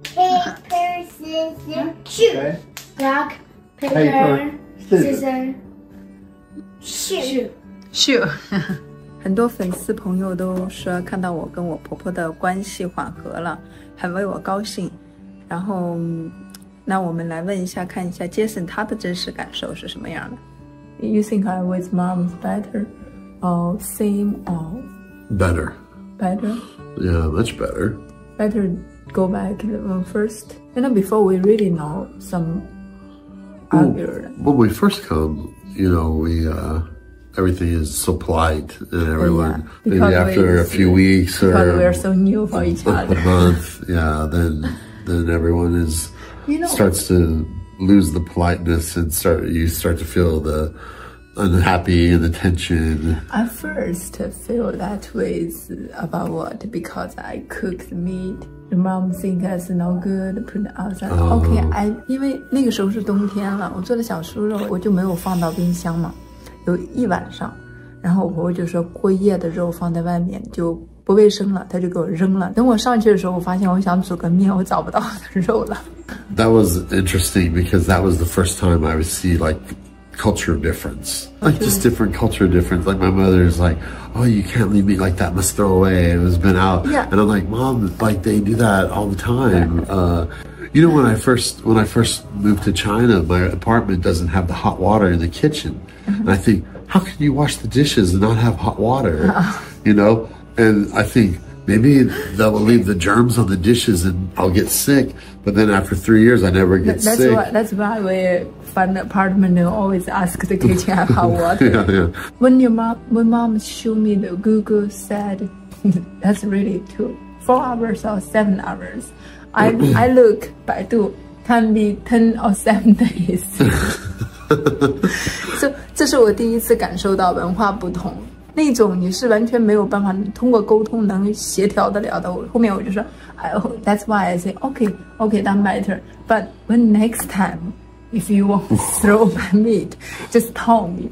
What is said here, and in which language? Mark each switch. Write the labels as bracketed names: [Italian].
[English] Paper, scissors, shoot. Rock, paper, scissors, shoot. [Chinese] 很多粉丝朋友都说看到我跟我婆婆的关系缓和了，很为我高兴。然后那我们来问一下，看一下 Jason 他的真实感受是什么样的。 [English] You think I with mom is better or same or? Better. Better? Yeah, much better. Better go back first. You know, before we really know some When we first come, you know, we everything is so polite and everyone. Yeah, maybe after a few weeks or. Because we're so new for each other. A month, yeah, then everyone is. You know, starts to lose the politeness and you start to feel the. Unhappy and the tension. I first feel that way about what? Because I cook the meat. The mom think it's no good, put it outside.、 Oh. Okay, I, [Chinese] 因为那个时候是冬天了，我做的小酥肉我就没有放到冰箱嘛，有一晚上，然后我婆婆就说过夜的肉放在外面就不卫生了，她就给我扔了。等我上去的时候，我发现我想煮个面，我找不到肉了。 [English] That was interesting because that was the first time I received like culture difference, like just different culture difference. Like my mother's like, oh, you can't leave meat like that, must throw away. It has been out. Yeah. And I'm like, Mom, like they do that all the time. You know, when I first moved to China, my apartment doesn't have the hot water in the kitchen. Mm-hmm. And I think, how can you wash the dishes and not have hot water? You know? And I think maybe that will leave the germs on the dishes and I'll get sick. But then after 3 years, I never get that's sick. That's why we find the apartment and always ask the kitchen have hot water. Yeah, yeah. When mom showed me the Google said, that's really 2-4 hours or 7 hours. I look Baidu, can be 10 or 7 days. [Chinese] 就这是我第一次感受到文化不同，那种你是完全没有办法通过沟通能协调得了的。后面我就说 [English] ，That's why I say okay, that matter. But when next time, if you want to throw my meat, just tell me.